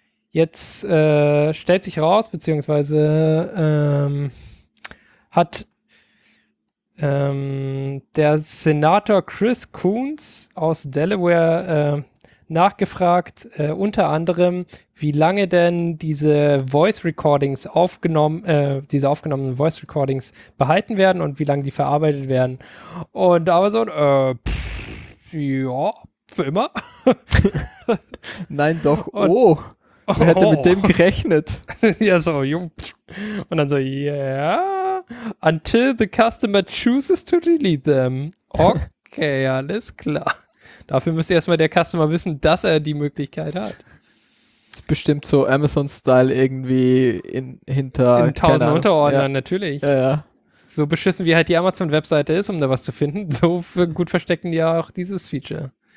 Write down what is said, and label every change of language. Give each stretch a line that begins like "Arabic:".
German: Jetzt stellt sich raus, beziehungsweise hat der Senator Chris Coons aus Delaware nachgefragt, unter anderem, wie lange denn diese aufgenommenen Voice Recordings behalten werden und wie lange die verarbeitet werden. Und Amazon, für immer. Nein, doch. Und, oh, wer hätte mit dem gerechnet? Ja, so. Und dann so, yeah.
English: Until the customer chooses to delete them.
German: Okay, alles klar. Dafür müsste erstmal der Customer wissen, dass er die Möglichkeit hat. Das ist bestimmt so Amazon-Style irgendwie hinter... In tausend Unterordnern, ja. Natürlich. Ja, ja. So beschissen wie halt die Amazon-Webseite ist, um da was zu finden, so gut verstecken die ja auch dieses Feature.